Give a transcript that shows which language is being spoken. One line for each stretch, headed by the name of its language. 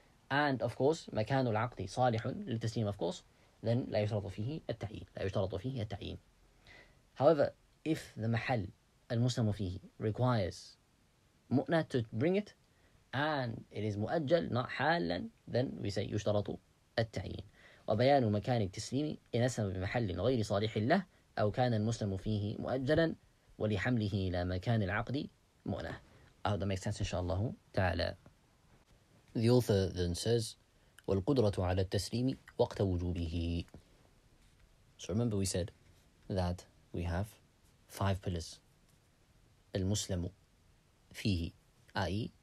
English: And of course,
Arabic: مكان العقد صالح للتسليم, of course, then لا يشترط فيه التعيين. لا يشترط فيه التعيين.
English: However, if the mahal المسلم فيه requires مؤنة to bring it, and it is مؤجل not حالا, then we say
Arabic: يشترط التعيين. وبيان مكان التسليم إن أسلم بمحل غير صالح له أو كان المسلم فيه مؤجلا ولحمله إلى مكان العقد مؤنة.
English: I hope that makes sense, inshallah تعالى. The author then says
Arabic: والقدرة على التسليم وقت وجوبه.
English: So remember we said that we have five pillars. المسلم فيه, i.e.